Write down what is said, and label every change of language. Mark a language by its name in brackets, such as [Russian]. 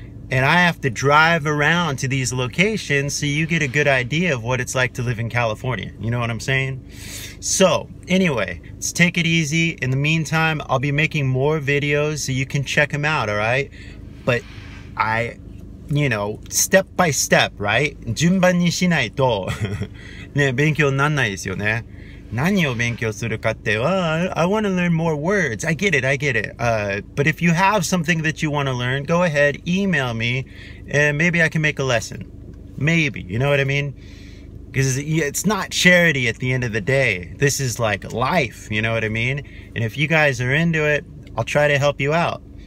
[English] And I have to drive around to these locations so you get a good idea of what it's like to live in California. You know what I'm saying? So, anyway, let's take it easy. In the meantime, I'll be making more videos so you can check them out, all right? But I, you know, step by step, right? [Japanese] 順番にしないと ね、勉強になんないですよね。何を勉強するかって、 [English] I want to learn more words. I get it. But if you have something that you want to learn, go ahead, email me, and maybe I can make a lesson. Maybe, you know what I mean? Because it's not charity at the end of the day. This is like life, you know what I mean? And if you guys are into it, I'll try to help you out.